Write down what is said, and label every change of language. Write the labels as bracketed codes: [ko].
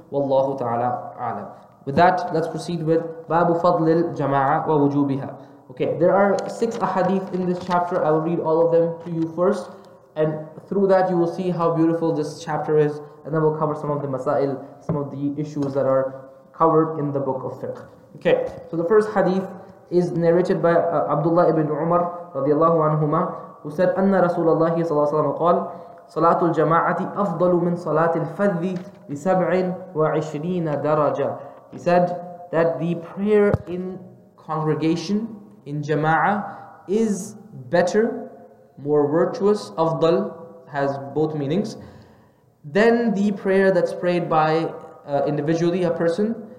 [en] Wallahu ta'ala a'lam. With that, let's proceed with Babu Fadlil Jama'ah wa Wujubiha. Okay, there are six ahadith in this chapter. I will read all of them to you first. And through that, you will see how beautiful this chapter is. And then we'll cover some of the masail, some of the issues that are covered in the book of fiqh. Okay, so the first hadith is narrated by Abdullah ibn Umar radiallahu anhumah, who said, [ar] أَنَّ رَسُولَ اللَّهِ صَلَى اللَّهِ عَلَيْهِ وَسَلَّمَ قَالَ صَلَاةُ الْجَمَاعَةِ أَفْضَلُ مِنْ صَلَاةِ الْفَذِّ بِسَبْعٍ وَعِشْرِينَ دَرَجَةٍ. [en] He said that the prayer in congregation, in jama'ah, is better, more virtuous, أفضل, has both meanings, than the prayer that's prayed by individually, a person.